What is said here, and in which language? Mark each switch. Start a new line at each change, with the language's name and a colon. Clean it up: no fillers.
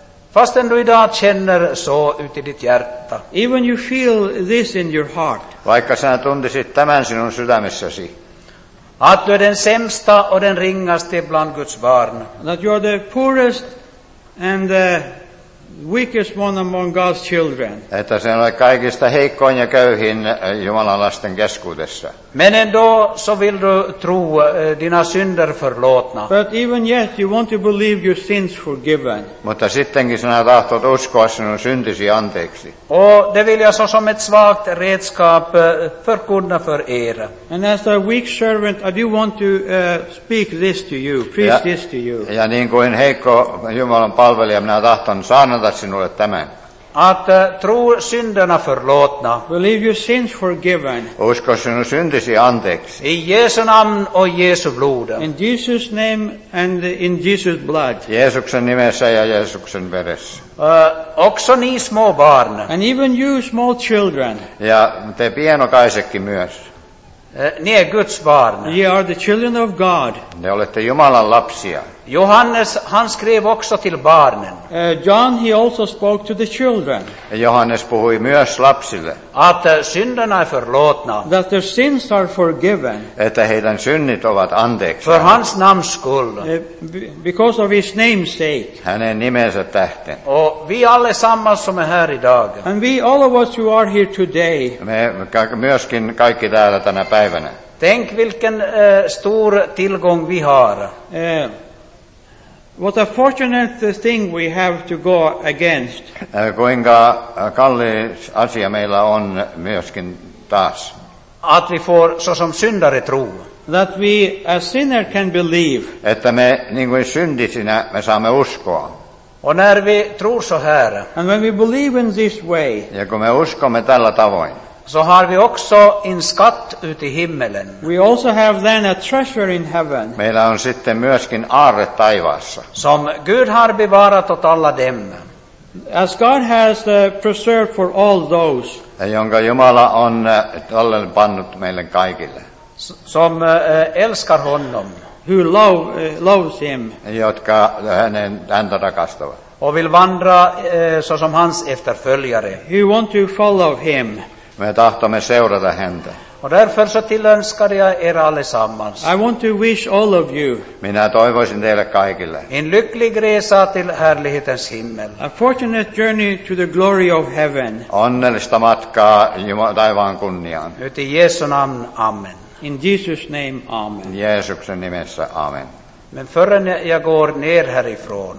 Swedish: Fastän du idag känner så ut i ditt hjärta.
English: Even you feel this in your heart.
Finnish: Vaikka sinä tuntisit tämän sinun sydämessäsi.
Swedish: Att du är den sämsta och den ringaste bland Guds barn.
English: That you are the poorest and the weakest one among God's children.
Finnish: Että se on kaikista heikoin ja köyhin Jumalan lasten keskuudessa.
Swedish: Menen då så vill du tro dina synder förlåtna.
English: But even yet you want to believe your sins forgiven.
Finnish: Mutta sittenkin sinä tahtot uskoa sinun syntisi anteeksi.
Swedish: Och det vill jag som ett svagt redskap förkunna för er.
English: And as a weak servant I do want to speak this to you, preach this to you.
Finnish: Ja niin kuin heikko Jumalan palvelija minä tahton saanata sinulle tämän.
Swedish: Att tro synderna förlåtna.
English: Believe your sins forgiven.
Finnish: Usko sinun syntisi anteeksi.
Swedish: I Jesu namn och Jesu blod.
English: In Jesus name and in Jesus blood.
Finnish: Jeesuksen nimessä ja Jeesuksen veressä.
Swedish: Också ni små barn.
English: And even you small children.
Finnish: Ja te pienokaisetkin myös.
Swedish: Ni är Guds barn.
English: Ye are the children of God.
Finnish: Ne olette Jumalan lapsia.
Swedish: Johannes, han skrev också till barnen.
English: John, he also spoke to the children.
Finnish: Johannes puhui myös lapsille.
Swedish: Att synderna är förlåtna.
English: That their sins are forgiven.
Finnish: Että heidän synnit ovat anteeksi.
Swedish: For hans namns skull.
English: Because of his name's sake.
Finnish: Hänen nimensä tähten.
Swedish: Och vi allesammans som är här idag.
English: And we, all of us who are here today.
Finnish: Me myöskin kaikki täällä tänä päivänä.
Swedish: Tänk vilken stor tillgång vi har.
English: What a fortunate thing we have to go against.
Finnish: Kuinka kallis asia meillä on myöskin taas.
Swedish: Att vi får så som syndare tro.
English: That we as sinner can believe.
Finnish: Että me niin kuin syndisinä me saamme uskoa.
Swedish: Och när vi tror så här.
English: And when we believe in this way.
Finnish: Ja kun me uskomme tällä tavoin.
Swedish: Så har vi också en skatt ute i himmelen.
English: We also have then a treasure in heaven.
Finnish: Meillä on sitten myöskin aarre taivaassa.
Swedish: Som Gud har bevarat åt alla dem.
English: As God has preserved for all those.
Finnish: Ja jonka Jumala on tallen pannut meille kaikille.
Swedish: Som älskar honom.
English: Who loves him.
Finnish: Jotka häntä rakastavat.
Swedish: Och vill vandra så som hans efterföljare.
English: Who want to follow him.
Finnish: Me tahtomme seurata häntä.
Swedish: Och därför så tillönskar jag er allesammans.
English: I want to wish all of you.
Finnish: Minä toivoisin teille kaikille.
Swedish: En lycklig resa till härlighetens himmel.
English: A fortunate journey to the glory of heaven.
Finnish: Onnellista matkaa taivaan kunniaan.
Swedish: Nyt in Jesu namn, amen.
English: In Jesus name, amen. In
Finnish: Jeesuksen nimessä, amen.
Swedish: Men förrän jag går ner härifrån.